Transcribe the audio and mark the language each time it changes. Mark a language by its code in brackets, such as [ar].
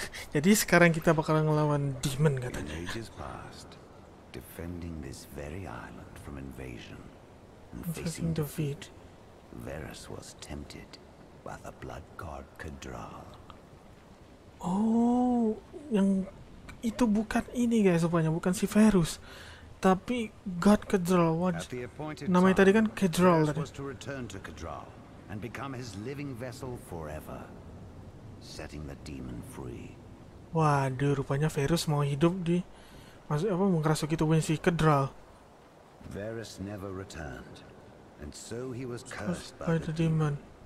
[id] Jadi sekarang kita bakalan ngelawan demon katanya. [en] In ages past, defending this very island from invasion and facing defeat, Varys was tempted by the blood god Kadral. [id] Oh, yang itu bukan ini guys, rupanya bukan si Varys. Tapi God Kadral, namanya tadi kan Kadral tadi. [en] Varys was to return to Kadral and become his living vessel forever, setting the demon free. [id] Waduh, rupanya Varys mau hidup di, maksud apa mengerasuk itu punya si Kadral. [en] Varys never returned, and so he was cursed by the demon.